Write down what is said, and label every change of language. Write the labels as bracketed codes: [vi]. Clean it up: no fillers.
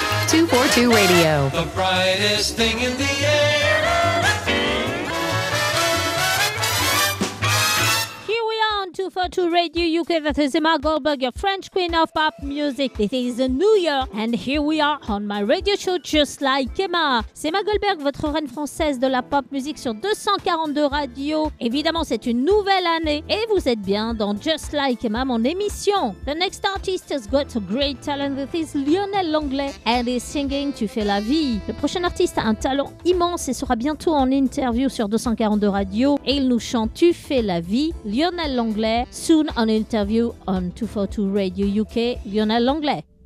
[en] 242 Radio. The brightest thing in the air. Here we are on 242 Radio UK. That is Emma Goldberg, your French queen of pop music. It is a new year and here we are on my radio show just like Emma. [fr] C'est Emma Goldberg, votre reine française de la pop music sur 242 Radio. Évidemment, c'est une nouvelle année et vous êtes bien dans Just Like Emma, mon émission. [en] The next artist has got a great talent. That is Lionel Langlais and his singing Tu fais la vie. [fr] Le prochain artiste a un talent immense et sera bientôt en interview sur 242 Radio et il nous chante Tu fais la vie. [en] Lionel Langlais, soon on interview on 242 Radio UK, Lionel Langlais.